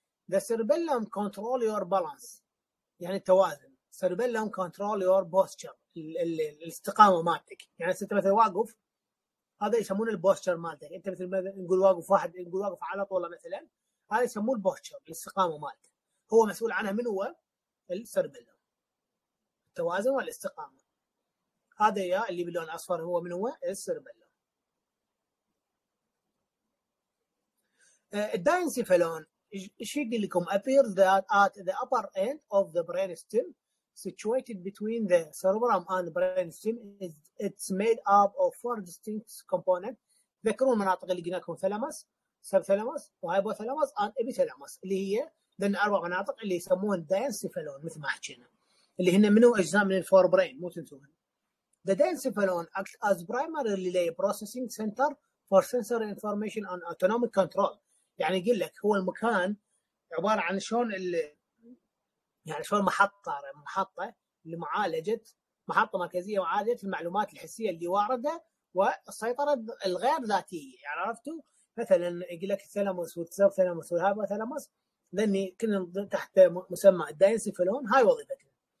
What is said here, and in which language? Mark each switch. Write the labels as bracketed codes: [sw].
[ar] ذا سربلم كنترول يور بالانس يعني التوازن، سربلم كنترول يور بوستشر الاستقامه مالتك، يعني انت مثلا واقف هذا يسمون البوستشر مالتك، انت مثل ما نقول واقف واحد نقول واقف على طول مثلا هذا يسمون البوستشر الاستقامه مالته، هو مسؤول عنها من هو السربلم التوازن والاستقامه، هذا يا اللي باللون الاصفر هو من هو السربلم. الداينسيفالون ايش يقول لكم؟ [en] appears that at the upper end of the brain stem situated between the cerebrum and the brain stem is it's made up of four distinct components. [ar] ذكروا المناطق اللي قلنا لكم ثلاموس سب ثلاموس وهايبو ثلاموس and epithalamus اللي هي ذن اربع مناطق اللي يسمون داينسيفالون مثل ما حكينا اللي هن منو اجزاء من الفور برين مو تنسوهم. [en] The diencephalon acts as primary relay processing center for sensory information and autonomic control. [ar] يعني يقول لك هو المكان عبارة عن شلون يعني شلون محطة لمعالجة محطة مركزية معالجة المعلومات الحسية اللي واردة والسيطرة الغير ذاتية، يعني عرفتوا؟ مثلا يقول لك الثلاموس والسب ثلاموس والهايبو ثلاموس لأني كنا تحت مسمى الداينسيفالون هاي وظيفته.